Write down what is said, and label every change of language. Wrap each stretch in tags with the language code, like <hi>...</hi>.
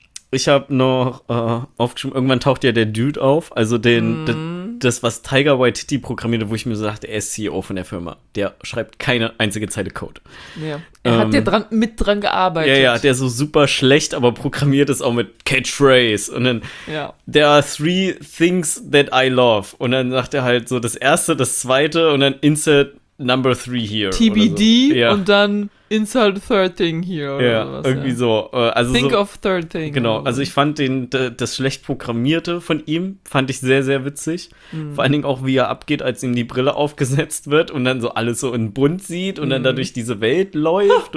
<de>Ich habe noch aufgeschrieben, irgendwann taucht ja der Dude auf, also das, was Tiger Waititi programmierte, wo ich mir so dachte, er ist CEO von der Firma. Der schreibt keine einzige Zeile Code. Ja. Er hat dran gearbeitet. Ja, der so super schlecht, aber programmiert ist auch mit Catchphrase. Und dann, ja.</de> <en>There are three things that I love.</en> <de>Und dann sagt er halt so, das erste, das zweite und dann</de> <en>insert number three here.</en> <de>TBD so. Ja. Und dann...</de> <en>Insert third thing here</en> <de>oder sowas. Irgendwie so. Also</de> <en>think so, of third thing.</en> <de>Genau, also ich fand das schlecht Programmierte von ihm, fand ich sehr, sehr witzig. Vor allen Dingen auch, wie er abgeht, als ihm die Brille aufgesetzt wird und dann so alles so in bunt sieht und dann dadurch diese Welt läuft.</de>